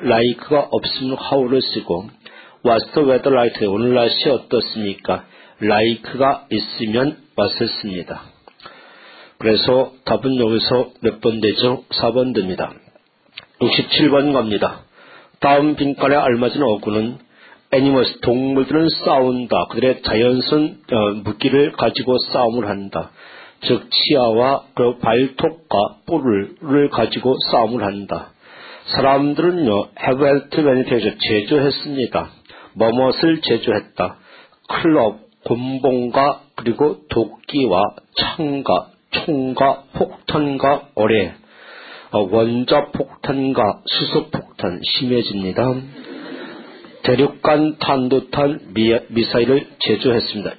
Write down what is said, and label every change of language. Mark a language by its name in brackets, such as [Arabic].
[English] Like가 [Korean] 없으면 [English] how를 [Korean] 쓰고 [English] What's the weather like today? [Korean] 오늘 날씨 어떻습니까? Like가 있으면 what을 씁니다. 그래서 답은 여기서 몇 번 되죠? 4번 됩니다. 67번 갑니다. 다음 빈칸에 알맞은 어구는 animals, 동물들은 싸운다. 그들의 자연스러운 무기를 가지고 싸움을 한다. 즉, 치아와 그리고 발톱과 뿔을 가지고 싸움을 한다. 사람들은요, [English] have helped many things, [Korean] 제조했습니다. 뭐뭇을 제조했다. 클럽, 곤봉과 그리고 도끼와 창과 총과 폭탄과 어뢰, 원자폭탄과 수소폭탄, 심해집니다. 대륙간 탄도탄 미사일을 제조했습니다.